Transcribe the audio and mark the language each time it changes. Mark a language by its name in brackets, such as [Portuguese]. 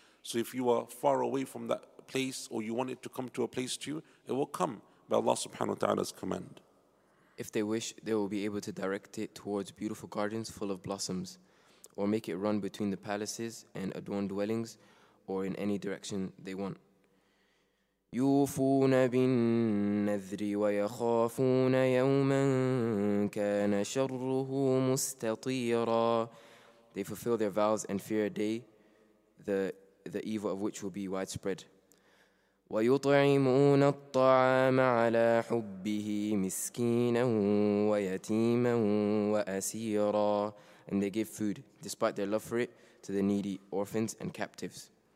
[English] So if you are far away from that place, or you want it to come to a place to you, it will come by Allah subhanahu wa ta'ala's command. If they wish, they will be able to direct it towards beautiful gardens full of blossoms, or make it run between the palaces and adorned dwellings, or in any direction they want. [Arabic] يوفون بالنذر ويخافون يوما كان شره مستطيرا. [English] They fulfill their vows and fear a day, the evil of which will be widespread. [Arabic] ويطعمون الطعام على حبه مسكينا ويتيما وأسيرا. [English] And they give food, despite their love for it, to the needy orphans and captives.